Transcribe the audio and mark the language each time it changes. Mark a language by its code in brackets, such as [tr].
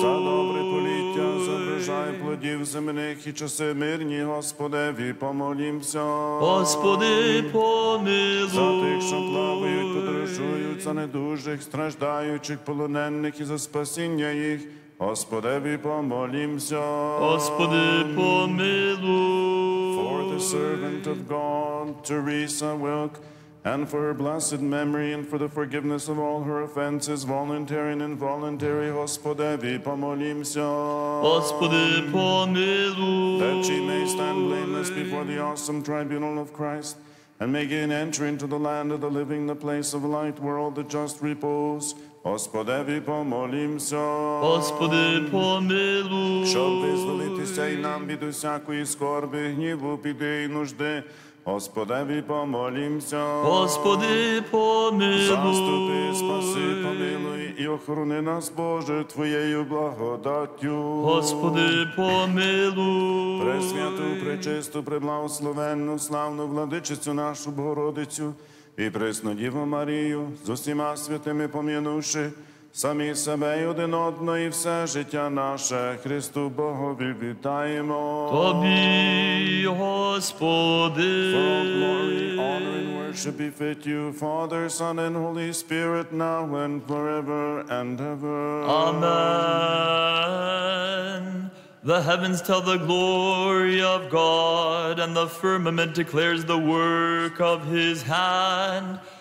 [uk] За добре поліття, за врожай плодів земних і часи мирні, Господи, помолімся. Господи, помилуй. За тих, що плавають, подорожують, за недужих, страждаючих, полонених і за спасіння їх, Господи, помолімся. Господи, помилуй. [en] For the servant of God, Teresa Wilk, and for her blessed memory, and for the forgiveness of all her offenses, voluntary and involuntary, [uk] Господи, помолімся. Господи, помилуй. [en] That she may stand blameless before the awesome tribunal of Christ, and may gain entry into the land of the living, the place of light, where all the just repose, [uk] Господи, помолімся. Господи, помилуй. Щоб визволити сей нам від усякої скорби, гніву, біди і нужди, Господи, помолімся. Господи, помилуй. Заступи, спаси, помилуй, і охорони нас, Боже, Твоєю благодаттю. Господи, помилуй. Пресвяту, пречисту, преблагословенну, славну владичицю нашу Богородицю і пресну Діву Марію, з усіма святими помінувши, самі себе й один одно, і все життя наше, Христу Богові вітаємо. Тобі, Господи. [en] For all glory, honor, and worship befit you, Father, Son, and Holy Spirit, now and forever and ever. Amen. The heavens tell the glory of God, and the firmament declares the work of his hand.